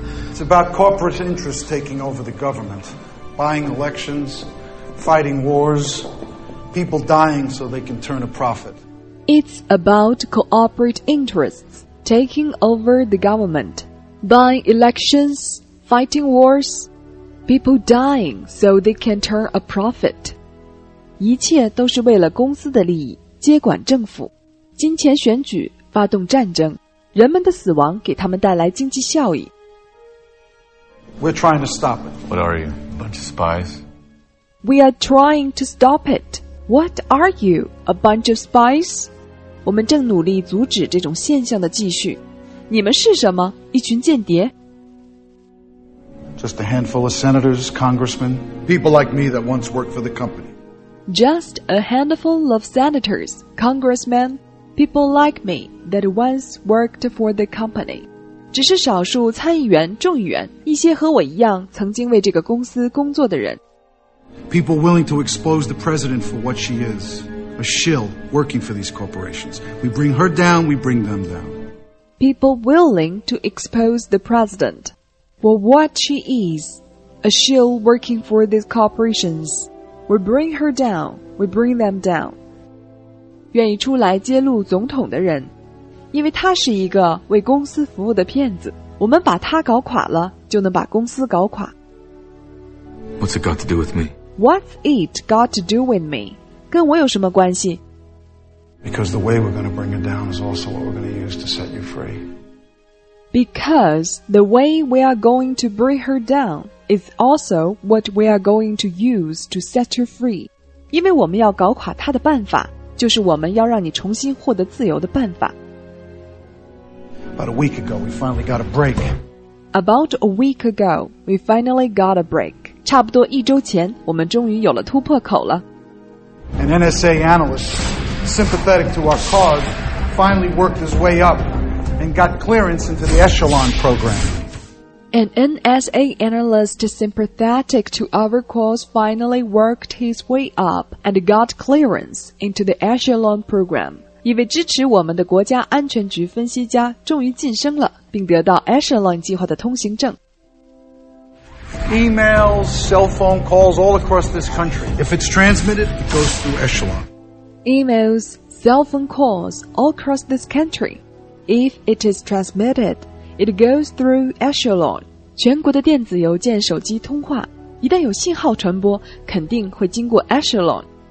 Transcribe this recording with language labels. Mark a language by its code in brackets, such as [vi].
[en] It's about corporate interests taking over the government, buying elections, fighting wars... People dying so they can turn a profit. It's about corporate interests taking over the government, buying elections, fighting wars, people dying so they can turn a profit. [zh] 一切都是为了公司的利益，接管政府，金钱选举，发动战争，人们的死亡给他们带来经济效益。 [en] We're trying to stop it. What are you? A bunch of spies? We are trying to stop it. What are you? A bunch of spies? [zh] 我们正努力阻止这种现象的继续。你们是什么？一群间谍？ [en] Just a handful of senators, congressmen, people like me that once worked for the company. Just a handful of senators, congressmen, people like me that once worked for the company. [zh] 只是少数参议员、众议员，一些和我一样曾经为这个公司工作的人。 [en] People willing to expose the president for what she is, a shill working for these corporations. We bring her down, we bring them down. People willing to expose the president for what she is, a shill working for these corporations. We bring her down, we bring them down. [zh] 愿意出来揭露总统的人，因为他是一个为公司服务的骗子，我们把他搞垮了，就能把公司搞垮。 [en] What's it got to do with me? What's it got to do with me? [zh] 跟我有什么关系? [en] Because the way we're going to bring her down is also what we're going to use to set you free. Because the way we are going to bring her down is also what we are going to use to set her free. [zh] 因为我们要搞垮她的办法就是我们要让你重新获得自由的办法。 [en] About a week ago, we finally got a break. About a week ago, we finally got a break. [zh] 差不多一周前，我们终于有了突破口了。 [en] An NSA analyst, sympathetic to our cause, finally worked his way up and got clearance into the Echelon program. An NSA analyst, sympathetic to our cause, finally worked his way up and got clearance into the Echelon program. [zh] 一位支持我们的国家安全局分析家终于晋升了，并得到 Echelon 计划的通行证。 [en] Emails, cell phone calls all across this country. If it's transmitted, it goes through Echelon. Emails, cell phone calls all across this country. If it is transmitted, it goes through Echelon. [zh] 全国的电子邮件、手机通话，一旦有信号传播，肯定会经过 Echelon.